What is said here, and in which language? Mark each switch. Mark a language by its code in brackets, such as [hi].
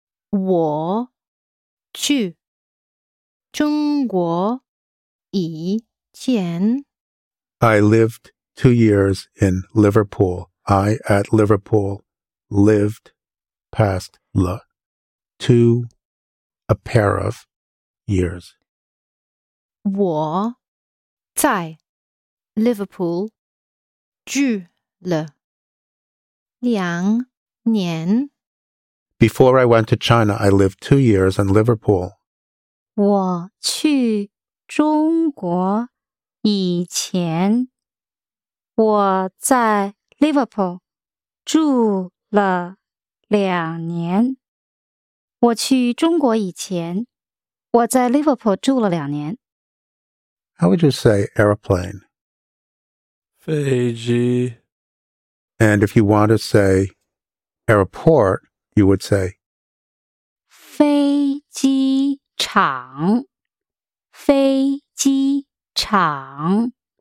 [zh] 我去中国以前 [en] I lived 2 years in Liverpool. I at Liverpool lived past le. To a pair of years. [zh] 我在 Liverpool 住了两年。 [en] Before I went to China, I lived 2 years in Liverpool. [zh] 我去中国以前我在 Liverpool 住了两年。我去中国以前我在 Liverpool 住了两年。 [en] How would you say airplane? [zh] 飞机。 [en] And if you want to say airport, you would say [zh] 飞机场。飞机场。